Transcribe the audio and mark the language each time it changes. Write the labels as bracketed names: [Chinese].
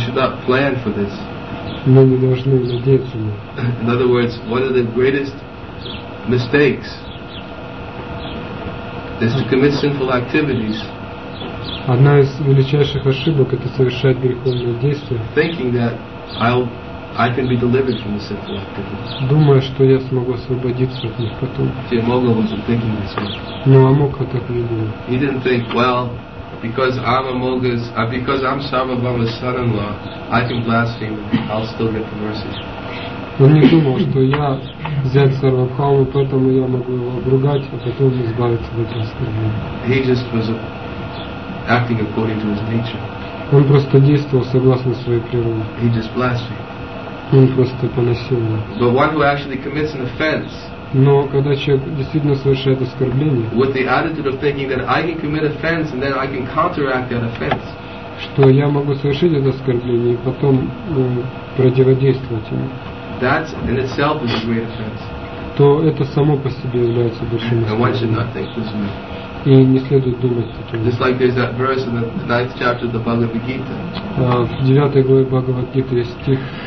[English] We should not plan for this. [Russian] Мы не должны надеяться на. [English] In other words, one of the greatest mistakes is to commit sinful activities. [Russian] Одна из величайших ошибок — это совершать греховные действия. [English] Thinking that I can be delivered from the sinful activities. [Russian] Думая, что я смогу освободиться от них потом. [English] See, Amoga wasn't thinking this way. [Russian] Но Амока так не думал. [English] He didn't think, well, because I'm Sarvabhauma's son-in-law, I can blaspheme and I'll still get the mercy. [Russian] Он не думал, что я взять Сарвабхауму, поэтому я могу его обругать, а потом избавиться от этого оскорбления. [English] He just was acting according to his nature. [Russian] Он просто действовал согласно своей природе. [English] He just blasphemed. [Russian] Он просто поносил его. [English] But one who actually commits an offense. [Russian] Но когда человек действительно совершает оскорбление. [English] With the attitude of thinking that I can commit offense and then I can counteract that offense. [Russian] что я могу совершить это оскорбление и потом противодействовать ему. [English] That's in itself is a great offense. [Russian] То это само по себе является большим оскорблением. И не следует думать о том. [English] Just like there's that verse in the ninth chapter of the Bhagavad Gita. [Russian] В девятой главе Бхагавад Гиты есть стих.